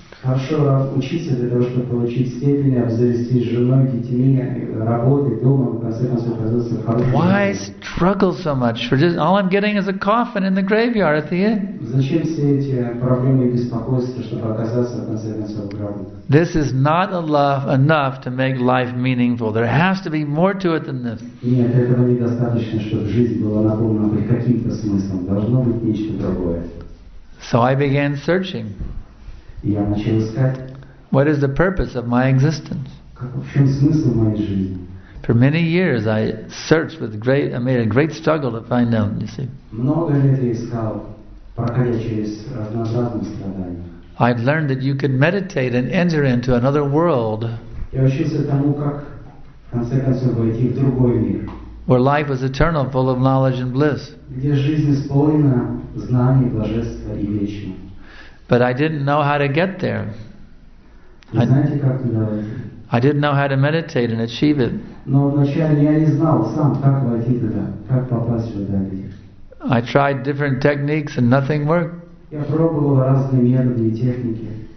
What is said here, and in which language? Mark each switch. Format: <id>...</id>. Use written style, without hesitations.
<ru>хорошо учиться для того, чтобы получить степень, обзавести женой, детьми, работой, домом, в конце концов, оказаться хорошим.</ru> <en>Why struggle so much? For just, all I'm getting is a coffin in the graveyard at the end.</en> <ru>Зачем все эти проблемы и беспокойства, чтобы оказаться в конце концов в гробу?</ru> <en>This is not a love enough to make life meaningful. There has to be more to it than this.</en> <ru>Нет, этого недостаточно, чтобы жизнь была наполнена хоть каким-то смыслом. Должно быть нечто другое.</ru> <en>So I began searching.</en> <ru>Я начал искать.</ru> <en>What is the purpose of my existence?</en> <ru>В чем смысл моей жизни?</ru> <en>For many years I searched with great, I made a great struggle to find out, you see.</en> <ru>Много лет я искал, проходя через разнообразные страдания.</ru> <en>I learned that you could meditate and enter into another world.</en> <ru>Я учился тому, как, в конце концов, войти в другой мир.</ru> <en>Where life was eternal, full of knowledge and bliss.</en> <ru>Где жизнь исполнена знаний, блаженства и вечного.</ru> <en>But I didn't know how to get there.</en> <ru>Знаете, как туда войти?</ru> <en>I didn't know how to meditate and achieve it.</en> <ru>Но вначале я не знал сам, как войти туда, как попасть сюда.</ru> <en>I tried different techniques and nothing worked.</en> <ru>Я пробовал разные методы и техники.</ru>